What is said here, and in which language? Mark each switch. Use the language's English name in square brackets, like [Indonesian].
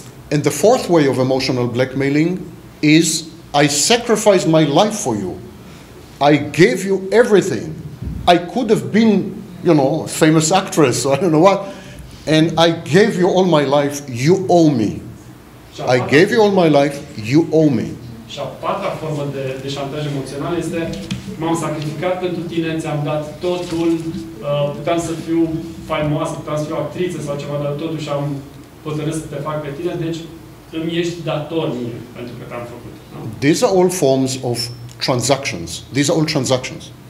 [English] And the fourth way of emotional blackmailing is, I sacrificed my life for you. I gave you everything. I could have been, you know, a famous actress, or I don't know what, and I gave you all my life, you owe me. I gave you all my life, you owe me. [Romanian] Și a patra formă de șantaj emoțional este, m-am sacrificat pentru tine, ți-am dat totul, puteam să fiu faimoasă, puteam să fiu actriță sau ceva, dar totuși am hotărât să te fac pe tine, deci îmi ești dator mie pentru că te-am făcut. [English] No? These are all forms of transactions. These are all transactions.